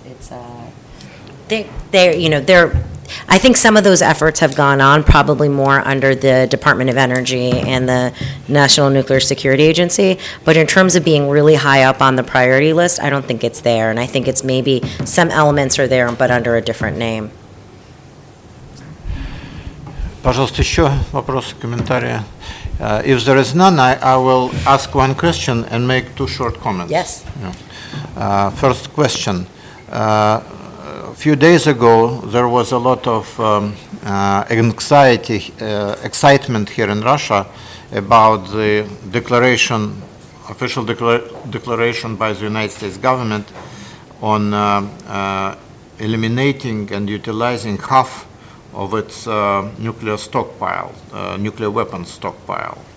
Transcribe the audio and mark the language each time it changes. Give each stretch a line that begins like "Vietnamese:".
English: It's, I think some of those efforts have gone on probably more under the Department of Energy and the National Nuclear Security Agency, but in terms of being really high up on the priority list, I don't think it's there, and I think it's maybe some elements are there, but under a different name.
Russian: Пожалуйста, еще вопросы, комментарии?
English: If there is none, I will ask one question and make two short comments. Yes. Yeah. First question. A few days ago, there was a lot of excitement here in Russia about the declaration, official declaration by the United States government on eliminating and utilizing half of its nuclear stockpile, nuclear weapons stockpile.